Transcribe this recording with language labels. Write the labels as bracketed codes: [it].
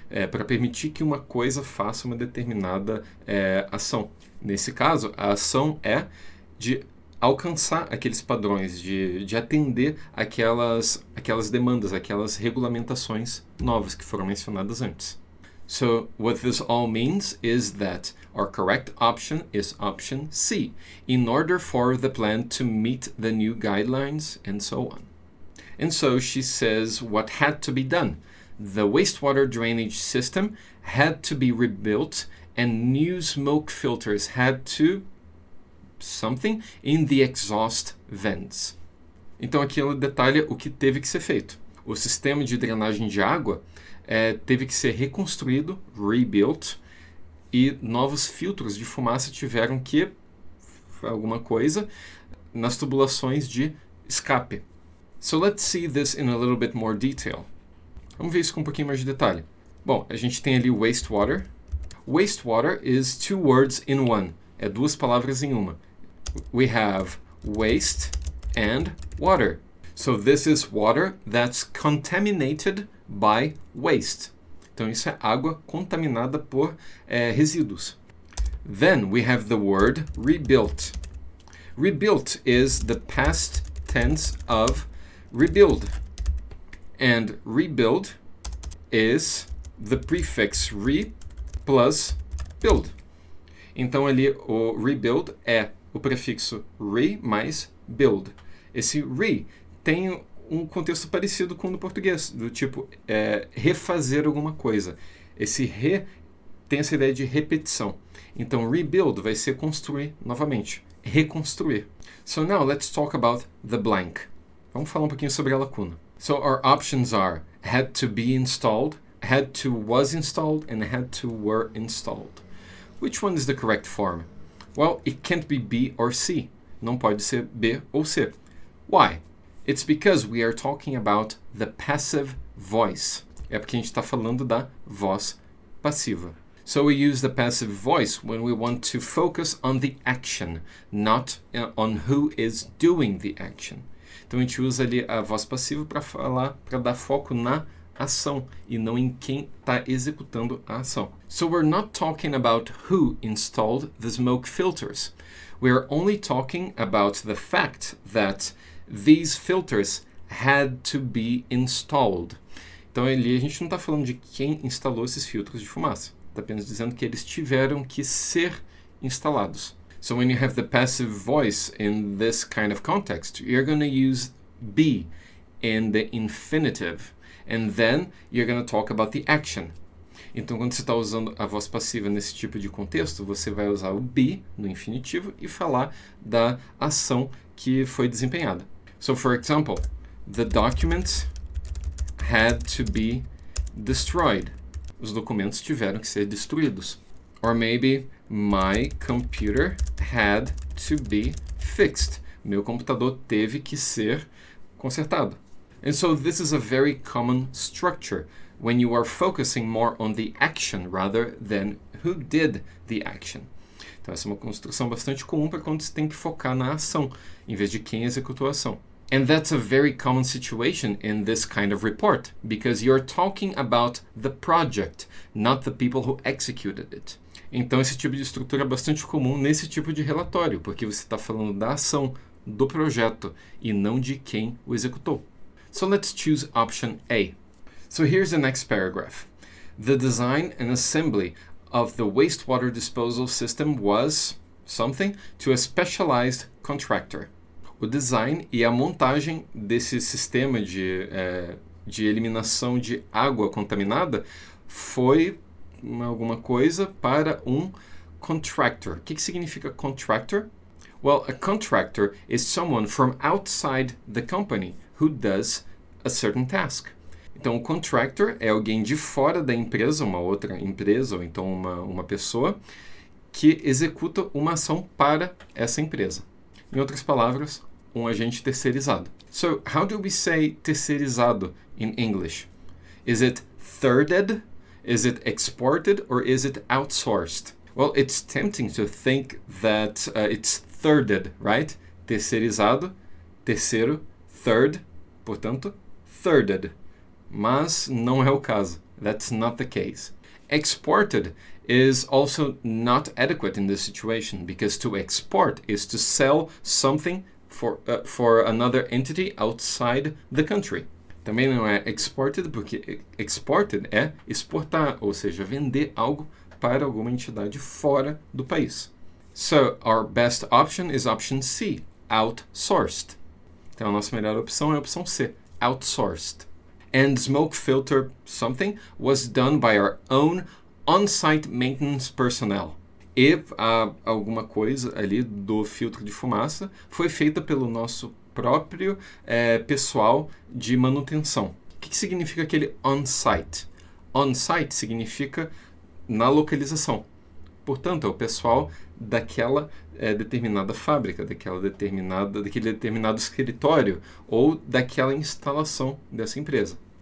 [pt] Para permitir que uma coisa faça uma determinada ação. Nesse caso, a ação é de alcançar aqueles padrões, de atender aquelas demandas, aquelas regulamentações novas que foram mencionadas antes. [en] So, what this all means is that our correct option is option C, in order for the plan to meet the new guidelines, and so on. And so, she says what had to be done. The wastewater drainage system had to be rebuilt, and new smoke filters had to something in the exhaust vents. [pt] Então, aqui ela detalha o que teve que ser feito. O sistema de drenagem de água teve que ser reconstruído, rebuilt, e novos filtros de fumaça tiveram que, alguma coisa, nas tubulações de escape. [en] So let's see this in a little bit more detail. [pt] Vamos ver isso com um pouquinho mais de detalhe. Bom, a gente tem ali wastewater. [en] Wastewater is two words in one. [pt] É duas palavras em uma. [en] We have waste and water. So this is water that's contaminated by waste. [pt] Então isso é água contaminada por resíduos. [en] Then we have the word rebuilt. Rebuilt is the past tense of rebuild. And rebuild is the prefix re plus build. [pt] Então ali o rebuild é o prefixo re mais build. Esse re tem um contexto parecido com o do português, do tipo refazer alguma coisa. Esse re tem essa ideia de repetição. Então, rebuild vai ser construir novamente, reconstruir. [en] So now let's talk about the blank. [pt] Vamos falar um pouquinho sobre a lacuna. [en] So our options are had to be installed, had to was installed, and had to were installed. Which one is the correct form? Well, it can't be B or C. [pt] Não pode ser B ou C. [en] Why? It's because we are talking about the passive voice. [pt] É porque a gente está falando da voz passiva. [en] So we use the passive voice when we want to focus on the action, not on who is doing the action. [pt] Então a gente usa ali a voz passiva para falar, para dar foco na ação e não em quem está executando a ação. [en] So we're not talking about who installed the smoke filters. We're only talking about the fact that these filters had to be installed. [pt] Então ali a gente não está falando de quem instalou esses filtros de fumaça. Está apenas dizendo que eles tiveram que ser instalados. [en] So when you have the passive voice in this kind of context, you're going to use be in the infinitive. And then you're going to talk about the action. [pt] Então, quando você está usando a voz passiva nesse tipo de contexto, você vai usar o be no infinitivo e falar da ação que foi desempenhada. [en] So, for example, the documents had to be destroyed. [pt] Os documentos tiveram que ser destruídos. [en] Or maybe my computer had to be fixed. [pt] Meu computador teve que ser consertado. [en] And so this is a very common structure when you are focusing more on the action rather than who did the action. [pt] Então essa é uma construção bastante comum para quando você tem que focar na ação em vez de quem executou a ação. [en] And that's a very common situation in this kind of report because you're talking about the project, not the people who executed it. [pt] Então esse tipo de estrutura é bastante comum nesse tipo de relatório porque você está falando da ação, do projeto e não de quem o executou. [en] So let's choose option A. So here's the next paragraph. The design and assembly of the wastewater disposal system was something to a specialized contractor. [pt] O design e a montagem desse sistema de eliminação de água contaminada foi alguma coisa para um contractor. O que significa contractor? [en] Well, a contractor is someone from outside the company who does a certain task. [pt] Então, o contractor é alguém de fora da empresa, uma outra empresa, ou então uma pessoa, que executa uma ação para essa empresa. Em outras palavras, um agente terceirizado. [en] So, how do we say terceirizado in English? Is it thirded? Is it exported? Or is it outsourced? Well, it's tempting to think that it's thirded, right? [pt] Terceirizado, terceiro, third, portanto, thirded. Mas não é o caso. [en] That's not the case. Exported is also not adequate in this situation because to export is to sell something for another entity outside the country. [pt] Também não é exported porque exported é exportar, ou seja, vender algo para alguma entidade fora do país. [en] So our best option is option C, outsourced. [pt] Então a nossa melhor opção é a opção C, outsourced. [en] And smoke filter something was done by our own on-site maintenance personnel. [pt] E alguma coisa ali do filtro de fumaça foi feita pelo nosso próprio pessoal de manutenção. O que significa aquele on-site? On-site significa na localização. Portanto, é o pessoal daquela determinada fábrica, daquele determinado escritório ou daquela instalação dessa empresa.